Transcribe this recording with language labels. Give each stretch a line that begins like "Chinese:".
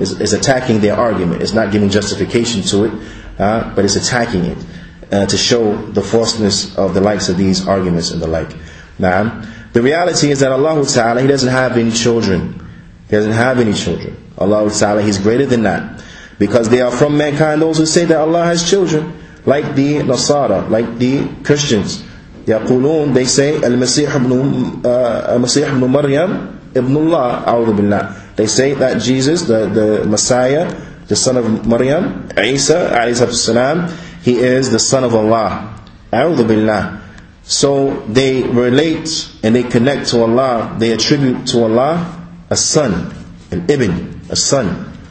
English: It's attacking their argument. It's not giving justification to it, but it's attacking it to show the falseness of the likes of these arguments and the like. Now, the reality is that Allah Ta'ala, He doesn't have any children. He doesn't have any children. Allah Ta'ala, He's greater than that. Because they are from mankind, those who say that Allah has children, like the Nasara, like the Christians.
Arabic: يقولون,
English: they say,
Arabic: المسيح ابن مريم ابن الله, أعوذ بالله.
English: They say that Jesus, the Messiah, the son of Maryam, Isa,
Arabic: عليه السلام,
English: he is the son of Allah.
Arabic: أعوذ بالله.
English: So they relate and they connect to Allah, they attribute to Allah a son, an ibn, a son.